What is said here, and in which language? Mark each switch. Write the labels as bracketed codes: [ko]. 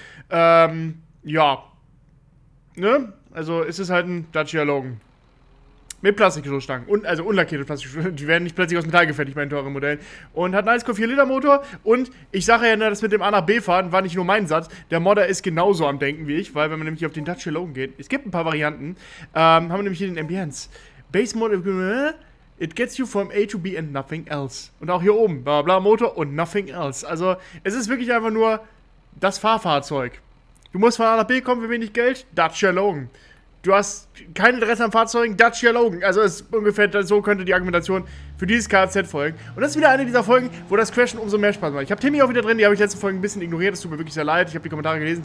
[de] Ja, ne? Also ist es halt ein Dacia Logan mit Plastikstoßstangen und also unlackierte Plastikstoßstangen. Die werden nicht plötzlich aus Metall gefertigt bei den teuren Modellen und hat einen 1,4 Liter Motor. Und ich sage ja, das mit dem A nach B fahren war nicht nur mein Satz. Der Modder ist genauso am Denken wie ich, weil wenn man nämlich auf den Dacia Logan geht, es gibt ein paar Varianten, haben wir nämlich hier den Ambience Base Model. [en] It gets you from A to B and nothing else. [de] Und auch hier oben, bla bla Motor und [en] nothing else. [de] Also es ist wirklich einfach nur das Fahrfahrzeug. Du musst von A nach B kommen für wenig Geld? Dacia Logan. Du hast kein Interesse an Fahrzeugen? Dacia Logan. Also es ist ungefähr so könnte die Argumentation für dieses Kfz folgen. Und das ist wieder eine dieser Folgen, wo das Crashen umso mehr Spaß macht. Ich habe Timmy auch wieder drin, die habe ich letzte Folge ein bisschen ignoriert. Das tut mir wirklich sehr leid. Ich habe die Kommentare gelesen.